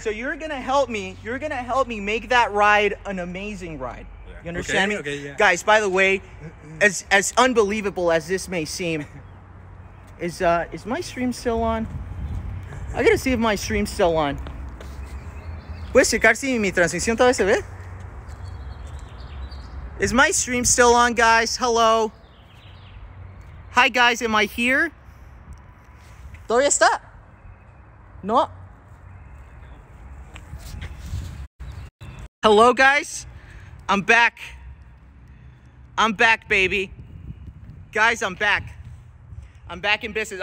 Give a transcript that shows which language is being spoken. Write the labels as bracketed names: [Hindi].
[English] So you're gonna help me make that ride an amazing ride. Yeah. You understand okay, me? Okay, yeah. Guys, by the way, as unbelievable as this may seem, is my stream still on? I gotta see if my stream's still on. [Spanish] ¿Puedes checar si mi transmisión todavía se ve? [English] Is my stream still on, guys? Hello? Hi guys, am I here? [Spanish] ¿Todavía está? [English] No. Hello guys, I'm back. I'm back, baby. Guys, I'm back. I'm back in business.